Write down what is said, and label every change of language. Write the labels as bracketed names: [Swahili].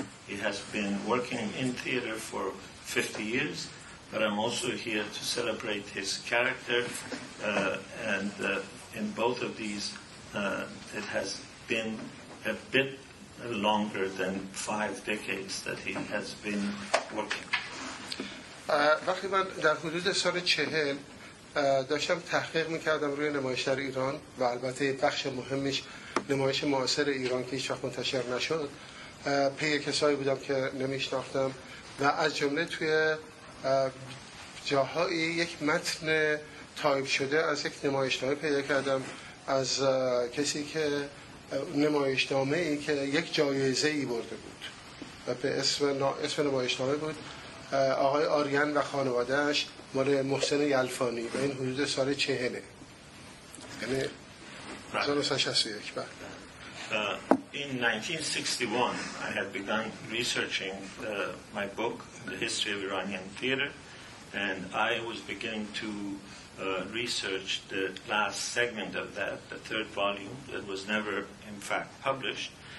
[English] He has been working in theater for 50 years, but I'm also here to celebrate his character and in both of these it has been a bit longer than 5 decades that he has been working. [Persian] وقتی من در حدود سال 40 داشتم تحقیق میکردم روی نمایش در ایران و البته بخش مهمش نمایش معاصر ایران که هیچ‌وقت منتشر نشد، پی کسایی بودم که نمیشناختم و از جمله توی جاهایی یک متن تایپ شده از یک نمایشنامه پیدا کردم از کسی که نمایشنامه ای که یک جایزه ای برده بود و به اسم نمایشنامه بود، آقای آریان و خانوادهش، مال محسن یلفانی و این حدود سال 40 یعنی 1961. بله. [English] In 1961 I had begun researching my book The History of Iranian Theater and I was beginning to research the last segment of that, the third volume, that was never, in fact, published.